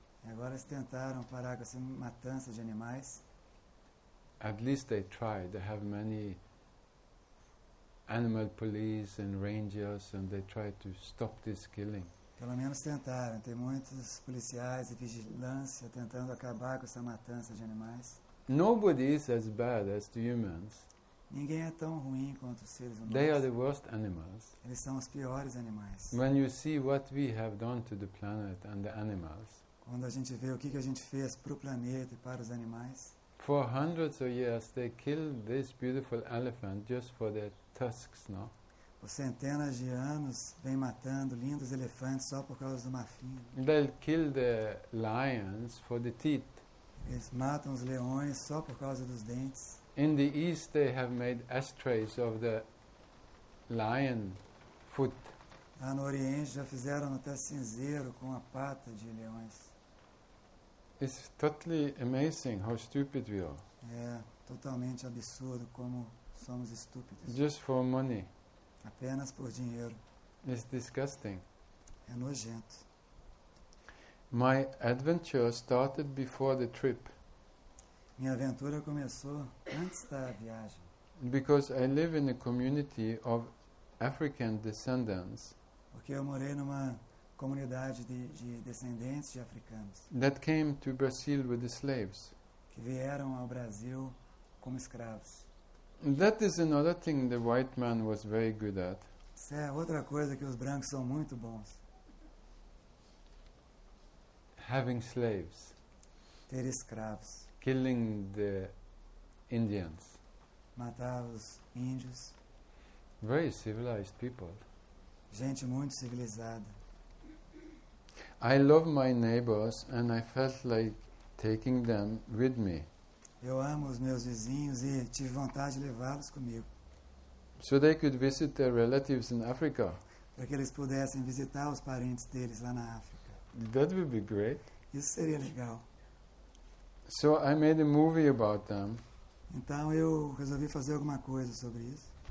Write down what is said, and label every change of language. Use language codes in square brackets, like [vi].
[pt] Agora eles tentaram parar com essa matança de animais. [en] At least they try. They have many animal police and rangers, and they try to stop this killing. [pt] Pelo menos tentaram. Tem muitos policiais e vigilância tentando acabar com essa matança de animais. [en] Nobody is as bad as the humans. [pt] Ninguém é tão ruim quanto os seres humanos. [en] They are the worst animals. [pt] Eles são os piores animais. [en] When you see what we have done to the planet and the animals. [pt] Quando a gente vê o que a gente fez para o planeta e para os animais. [en] For hundreds of years, they killed this beautiful elephant just for their tusks, no? [pt] Por centenas de anos, vem matando lindos elefantes só por causa do marfim. [en] They kill the lions for the teeth. [pt] Eles matam os leões só por causa dos dentes. [en] In the East, they have made ashtrays of the lion foot. [pt] Lá no Oriente, já fizeram até cinzeiro com a pata de leões. [en] It's totally amazing how stupid we are. [pt] É totalmente absurdo como somos estúpidos. [en] Just for money. [pt] Apenas por dinheiro. [en] It's disgusting. [pt] É nojento. [en] My adventure started before the trip. [pt] Minha aventura começou antes da viagem. [en] Because I live in a community of African descendants. [pt] Porque eu morei numa comunidade de descendentes de africanos. [en] That came to Brazil with the slaves. [pt] Que vieram ao Brasil como escravos. [en] That is another thing the white man was very good at. [pt] Isso é outra coisa que os brancos são muito bons. [en] Having slaves. [pt] Ter escravos. [en] Killing the Indians. [pt] Matar os índios. [en] Very civilized people. [pt] Gente muito civilizada. [en] I love my neighbors and I felt like taking them with me. [pt] Eu amo os meus vizinhos e tive vontade de levá-los comigo. [en] So they could visit their relatives in Africa. [pt] Para que eles pudessem visitar os parentes deles lá na África. [en] That would be great. [pt] Isso seria legal. [en] So I made a movie about them. [pt] Então eu resolvi fazer alguma coisa sobre isso.